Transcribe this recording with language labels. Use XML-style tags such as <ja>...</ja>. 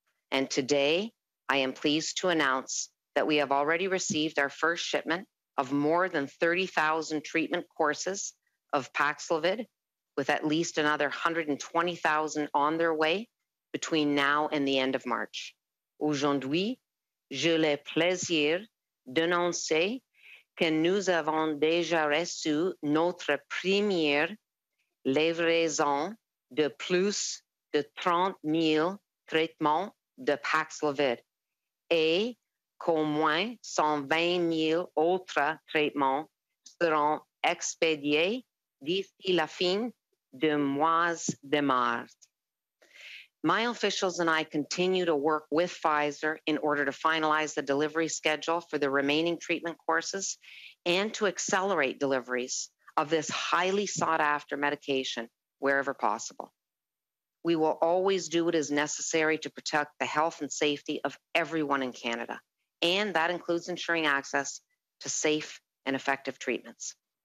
<en>And today, I am pleased to announce that we have already received our first shipment of more than 30,000 treatment courses of Paxlovid, with at least another 120,000 on their way between now and the end of March.</en> <fr>Aujourd'hui, j'ai le plaisir d'annoncer que nous avons déjà reçu notre première livraison de plus de 30 000 traitements de Paxlovid et qu'au moins 120 000 autres traitements seront expédiés d'ici la fin du mois de mars.</fr> <en>My officials and I continue to work with Pfizer in order to finalize the delivery schedule for the remaining treatment courses and to accelerate deliveries of this highly sought after medication wherever possible. We will always do what is necessary to protect the health and safety of everyone in Canada, and that includes ensuring access to safe and effective treatments.</en>